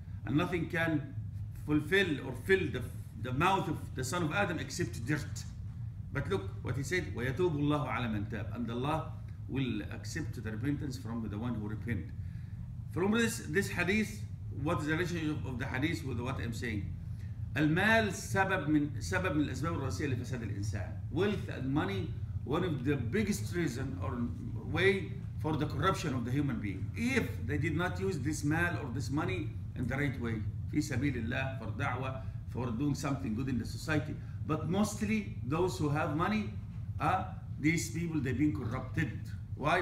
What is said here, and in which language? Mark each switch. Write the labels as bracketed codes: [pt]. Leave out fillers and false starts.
[en] And nothing can fulfill or fill the mouth of the son of Adam except dirt. But look what he said, [ar] ويتوب الله على من تاب. [en] And Allah will accept the repentance from the one who repent. From this hadith, what is the relationship of the hadith with what I'm saying? [ar] المال سبب من الأسباب الرئيسية لفساد الإنسان. [en] Wealth and money, one of the biggest reason or way for the corruption of the human being. If they did not use this mal or this money in the right way, [ar] في سبيل الله, [en] for da'wah, for doing something good in the society. But mostly those who have money, these people, they've been corrupted. Why?